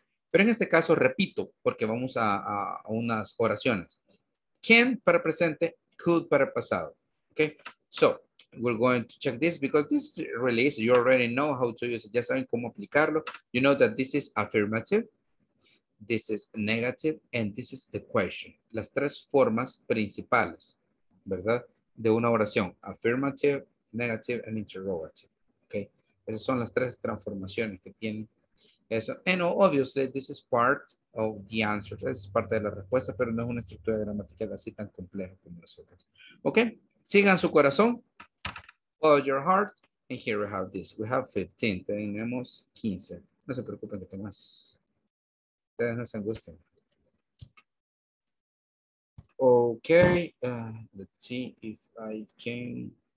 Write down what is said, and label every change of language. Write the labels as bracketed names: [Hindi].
[Spanish] Pero en este caso, repito, porque vamos a unas oraciones. Can para presente, could para pasado. [English] Okay, so we're going to check this because this is released. You already know how to use it. [Spanish] Ya saben cómo aplicarlo. [English] You know that this is affirmative, this is negative, and this is the question. [Spanish] Las tres formas principales, ¿verdad? De una oración. [English] Affirmative, negative, and interrogative. [Spanish] Okay, esas son las tres transformaciones que tienen. Eso. [English] And obviously, this is part of the answer. [Spanish] Es parte de la respuesta, pero no es una estructura gramatical así tan compleja como las otras. [English] Okay. [Spanish] Sigan su corazón, [English] follow your heart, and here we have this. We have 15, [Spanish] tenemos 15. No se preocupen que tengan más. Ustedes no se angustien. [English] Okay, let's see if I can.